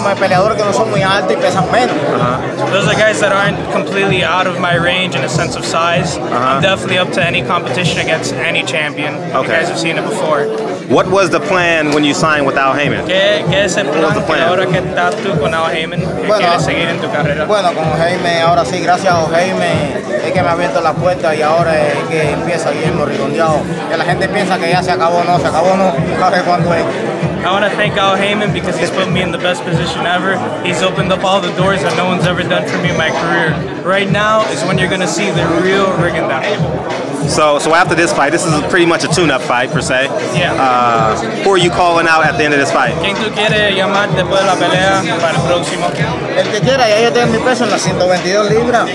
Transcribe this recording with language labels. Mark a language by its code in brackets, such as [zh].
[en] Those are guys that aren't completely out of my range in a sense of size. Uh-huh. I'm definitely up to any competition against any champion. Okay. You guys have seen it before. What was the plan when you signed with Al Heyman? [es] ¿Qué es el plan ahora que estás tú con Al Heyman? ¿Qué quieres seguir en tu carrera? Bueno, con Heyman, ahora sí, gracias a Heyman, es que me ha abierto las puertas y ahora es que empieza Guillermo Rigondeau. Que la gente piensa que ya se acabó no, ahora es cuando es. [en] I want to thank Al Heyman because he's put me in the best position ever. He's opened up all the doors that no one's ever done for me in my career. Right now is when you're going to see the real Rigondeau. So after this fight, this is pretty much a tune-up fight, per se. Yeah. Who are you calling out at the end of this fight? [es] ¿Quién tú quieres llamar después de la pelea para el próximo? El que quiera, ya yo tengo mi peso en las 122 libras.